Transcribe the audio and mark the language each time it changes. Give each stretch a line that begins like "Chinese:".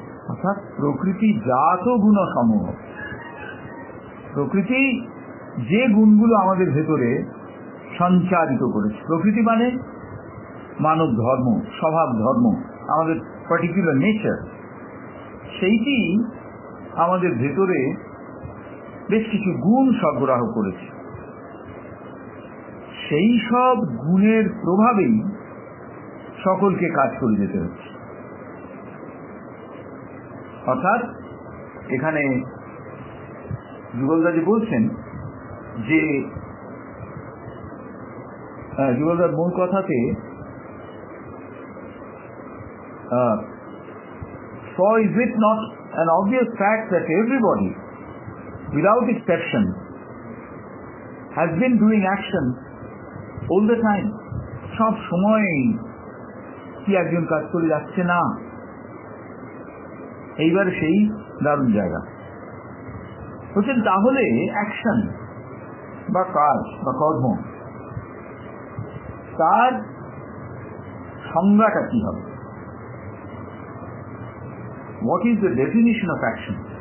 Bangla: অর্থাৎ প্রকৃতি জাত গুণ সমূহ, প্রকৃতি যে গুণগুলো আমাদের ভেতরে সঞ্চারিত করেছে, প্রকৃতি মানে মানব ধর্ম, স্বভাব ধর্ম, আমাদের পার্টিকুলার নেচার, সেইটি আমাদের ভেতরে বেশ কিছু গুণ সরবরাহ করেছে, সেই সব গুণের প্রভাবেই সকলকে কাজ করে যেতে হচ্ছে। অর্থাৎ এখানে যুগলদাজি বলছেন যে যুগলদার মূল কথাতে
English: So is it not an obvious fact that everybody, without exception, has been doing action all the time?
Bangla: সব সময় কি একজন কাজ করে যাচ্ছে না? এইবার সেই দারুণ জায়গা হচ্ছেন, তাহলে অ্যাকশন বা কাজ বা কর্ম তার সংজ্ঞাটা কি হবে?
English: What is the definition of action?